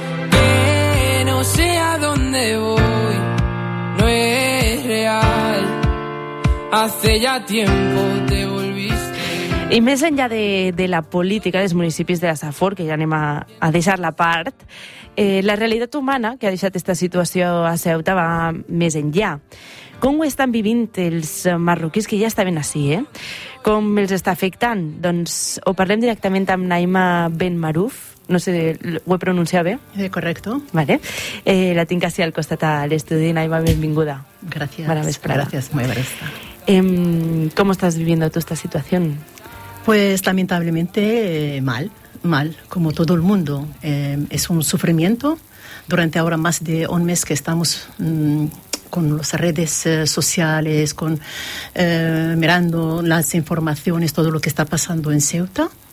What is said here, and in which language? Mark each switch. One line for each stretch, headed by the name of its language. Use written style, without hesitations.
Spanish: Que no sé a dónde voy, no es real. Hace ya tiempo te volviste. Y más allá de la política de los municipios de la Safor, que ya
Catalan: anem a
Spanish: dejar la part.
Catalan: La realitat humana que ha deixat esta situació a Ceuta va més enllà. Com ho estan vivint els marroquins que ja estaven ací, Com els està afectant? Doncs ho parlem directament amb Naïma Ben Maruf. No sé, ho he pronunciat bé?
Spanish: Correcto.
Catalan: Vale. La tinc ací al costat a l'estudi. Naïma, benvinguda. Gràcies. Bona vesprada. Gràcies, molt bé. Com estàs vivint tu esta situació?
Spanish: Pues lamentablemente mal, mal, como todo el mundo. Es un sufrimiento. Durante ahora más de un mes que estamos con las redes sociales, con mirando las informaciones, todo lo que está pasando en Ceuta.